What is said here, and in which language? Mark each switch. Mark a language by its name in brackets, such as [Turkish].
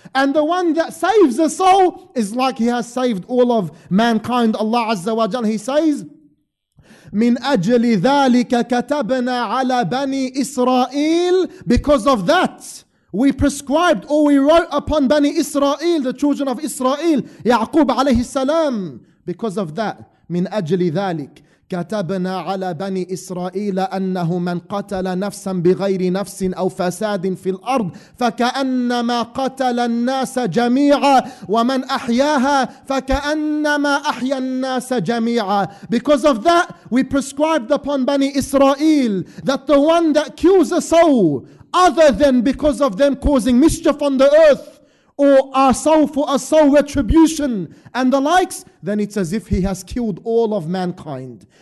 [English] And the one that saves a soul is like he has saved all of mankind. Allah Azza wa Jal, he says, [Arabic] مِنْ أَجْلِ ذَٰلِكَ كَتَبْنَا عَلَىٰ بَنِي إِسْرَائِيلِ. [English] Because of that, we prescribed or we wrote upon Bani Israel, the children of Israel, Yaqub alayhi salam. Because of that, [Arabic] مِنْ أَجْلِ ذَٰلِكَ كتبنا على بني إسرائيل أنه من قتل نفسا بغير نفس أو فساد في الأرض فكأنما قتل الناس جميعا ومن أحياها فكأنما أحيا الناس جميعا. [English] Because of that, we prescribed upon Bani Israel that the one that kills a soul other than because of them causing mischief on the earth or a soul for a soul retribution and the likes, then it's as if he has killed all of mankind.